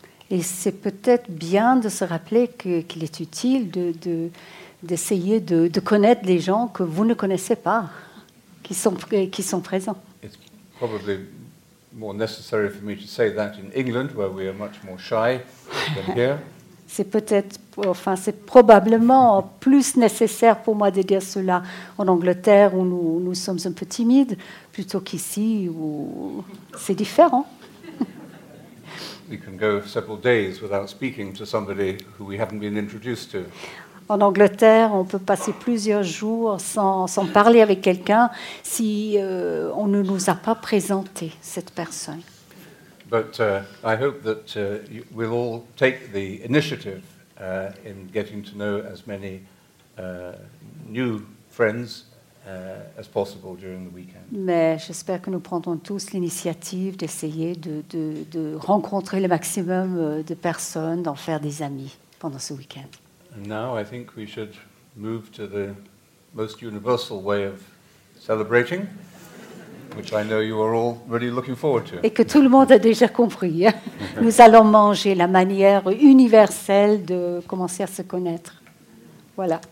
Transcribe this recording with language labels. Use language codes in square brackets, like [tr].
[fr] Et c'est peut-être bien de se rappeler qu'il est utile d'essayer de connaître les gens que vous ne connaissez pas, qui sont présents. [en] It's probably more necessary for me to say that in England, where we are much more shy than here. [fr] C'est probablement plus nécessaire pour moi de dire cela en Angleterre, où nous sommes un peu timides, plutôt qu'ici, où c'est différent. [en] We can go several days without speaking to somebody who we haven't been introduced to. [fr] En Angleterre, on peut passer plusieurs jours sans parler avec quelqu'un si on ne nous a pas présenté cette personne. [en] But I hope that we'll all take the initiative in getting to know as many new friends as possible during the weekend. [fr] Mais j'espère que nous prendrons tous l'initiative d'essayer de rencontrer le maximum de personnes, d'en faire des amis pendant ce week-end. [en] And now I think we should move to the most universal way of celebrating, which I know you are all really looking forward to. [fr] Et que tout le monde a déjà compris. Nous allons manger, la manière universelle de commencer à se connaître. Voilà.